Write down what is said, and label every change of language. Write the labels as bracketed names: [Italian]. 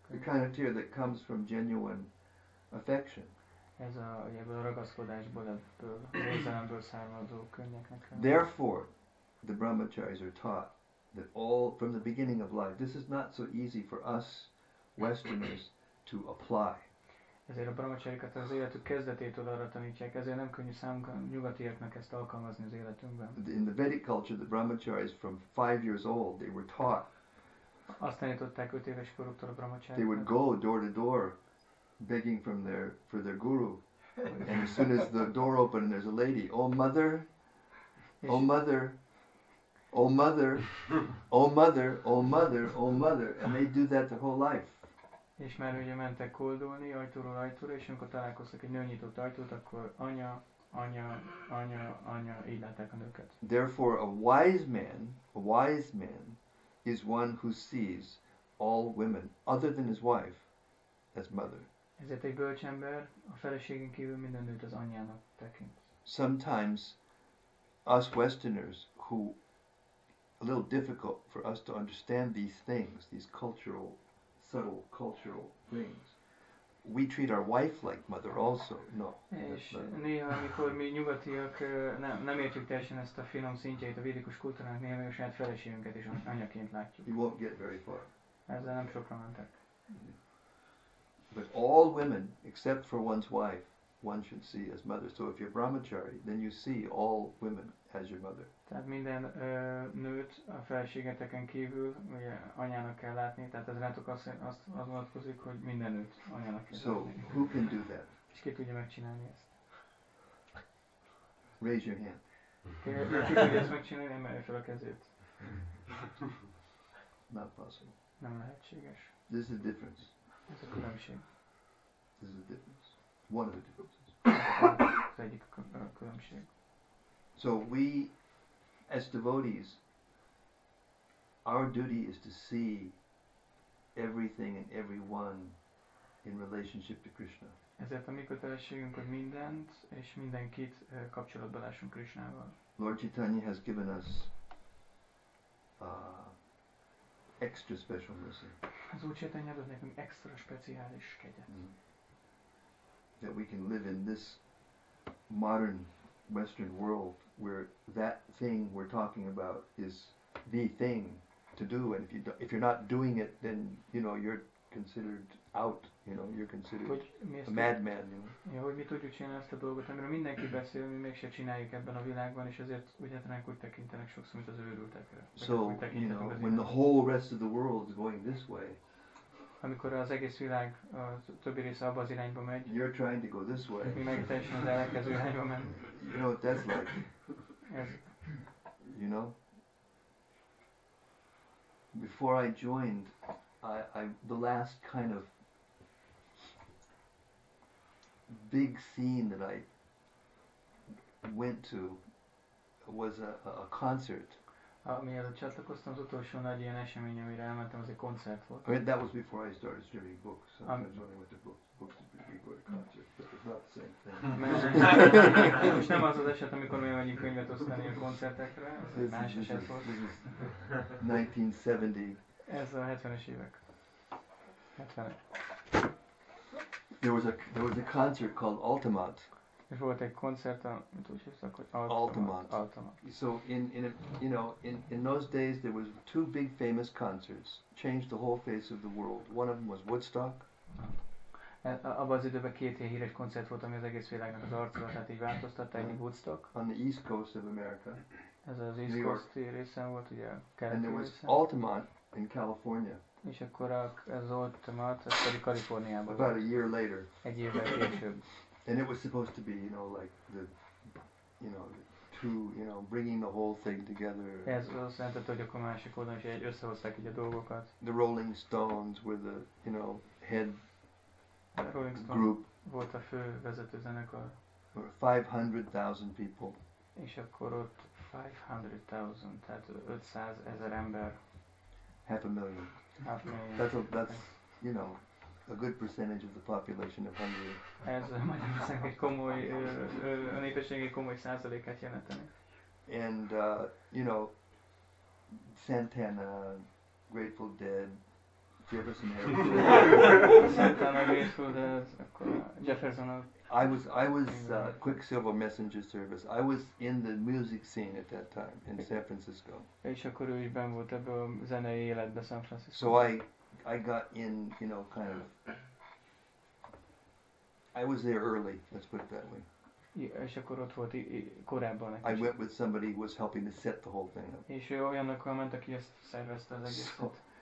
[English] The kind of tear that comes from genuine affection. [Hungarian] Ez a, ugye, ebből a ragaszkodásból, ebből a hozzáemből származó könnyeknek. [English] Therefore, the brahmacharis are taught that all, from the beginning of life, this is not so easy for us Westerners to apply. [Hungarian] Ezért a brahmacharikat az életük kezdetétől arra tanítják, ezért nem könnyű számunkra nyugatiaknak ezt alkalmazni az életünkben. [English] In the Vedic culture, the brahmacharis from 5 years old, they were taught. [Hungarian] Azt tanították 5 éves koruktól a brahmacharikat. [English] They would go door to door begging from their, for their guru. And as soon as the door opened, there's a lady, oh mother, oh mother, oh mother, oh mother, oh mother, oh mother, and they do that their whole life. [Hungarian] És már ugye mentek koldulni ajtóról ajtóra, és amikor találkoztak egy nő nyitott ajtót, akkor anya, anya, anya, anya, így látták a nőket. [English] Therefore a wise man is one who sees all women other than his wife as mother. [Hungarian] Ezért egy bölcs ember a feleségén kívül minden nőt az anyjának tekint. [English] Sometimes us Westerners who a little difficult for us to understand these things, these cultural, subtle cultural things. We treat our wife like mother also. No. [Hungarian] És néha, amikor mi nyugatiak nem értjük teljesen ezt a finom szintjeit a védikus kultúrának, néha mi a saját feleségünket is anyaként látjuk. [English] You won't get very far. [Hungarian] Ezzel nem sokra mentek. [English] But all women, except for one's wife, one should see as mother. So if you're brahmachari, then you see all women as your mother. [Hungarian] Tehát minden nőt a feleségeteken kívül, ugye, anyának kell látni. Tehát ez rátok azt vonatkozik, hogy minden nőt anyának kell [English] so [Hungarian] látni. [English] So, who can do that? [Hungarian] És ki tudja megcsinálni ezt? [English] Raise your hand. [Hungarian] Ki tudja ezt megcsinálni? Emelje fel a kezét. [English] Not possible. [Hungarian] Nem lehetséges. [English] This is the difference. [Hungarian] Ez a különbség. [English] This is the difference. One of the differences. [Hungarian] Ez egyik különbség. [English] So we, as devotees, our duty is to see everything and everyone in relationship to Krishna. [Hungarian] Ezért a mi kötelességünk, hogy mindent és mindenkit kapcsolatba lássunk Krishnával. [English] Lord Chaitanya has given us extra special mercy. [Hungarian] Az Úr Chaitanya adott nekünk extra speciális kegyet. Mm. [English] That we can live in this modern Western world where that thing we're talking about is the thing to do, and if you're not doing it, then you know you're considered out. You know you're considered a madman. You know. [Hungarian] Ja, hogy mi tudjuk csinálni ezt a dolgot, amiről mindenki beszél, mi mégse csináljuk ebben a világban, és ezért ugyanak úgy tekintenek sokszor, mint az őrültekre. [English] So you know when the whole rest of the world is going this way. [Hungarian] Amikor az egész világ a többi része abba az irányba megy. [English] You're trying to go this way. [Hungarian] Mi meg teljesen az ellenkező irányba megy. [English] You know what that's like. [Hungarian] Ez. [English] You know? Before I joined, I the last kind of big scene that I went to was a concert. [Hungarian] Amiért csatlakoztam, az utolsó nagy ilyen esemény, amire elmentem, az egy koncert volt. [English] I mean, that was before I started streaming books. Sometimes when I went to books before I go to concerts, but it's not the same thing. [Hungarian] Most nem az az eset, amikor mi mennyi könyvet osztani a koncertekre, az egy más eset volt. [English] 1970. [Hungarian] Ez a 70-es évek. 70. [English] There was a concert called Altamont. [Hungarian] És volt egy koncert, amit úgy hívtak, hogy Altamont. [English] So in those days there was two big famous concerts, changed the whole face of the world. One of them was Woodstock. [Hungarian] Abban az időben két ilyen híres koncert volt, ami az egész világnak az arcát, tehát így változtatta, egy Woodstock. [English] On the east coast of America. [Hungarian] Ez az east coast részen volt, ugye, keleti. [English] And there was Altamont in California. [Hungarian] És akkor az Altamont, ez pedig Kaliforniában volt. [English] About a year later. [Hungarian] Egy évvel később. [English] And it was supposed to be, you know, like the, you know, the two through, you know, bringing the whole thing together. [Hungarian] Ez azt jelentette, hogy akkor másik oldalon is egy összehozták így a dolgokat. [English] The Rolling Stones were the, you know, head Rolling Stone group. [Hungarian] Volt a fő vezető zenekar. [English] 500,000 people. [Hungarian] És akkor ott 500,000, tehát 500 ezer ember. [English] Half a million. Half a million. That's, you know, a good percentage of the population of Hungary. [Hungarian] Ez Magyarország egy komoly, a népesség egy komoly százalékát jelenteni. [English] And, you know, Santana, Grateful Dead, Jefferson Airplane. [Hungarian] Santana, Grateful Dead, Jefferson Airplane. [English] I was Quicksilver Messenger Service. I was in the music scene at that time in San Francisco. [Hungarian] És akkor ő is benn volt ebbe a zenei életbe San Francisco. [English] So I got in, you know, kind of, I was there early, let's put it that way. [Hungarian] És akkor ott volt korábban. [English] I went with somebody who was helping to set the whole thing up. [Hungarian] És ő olyannak ment, aki ezt szervezte az egészet.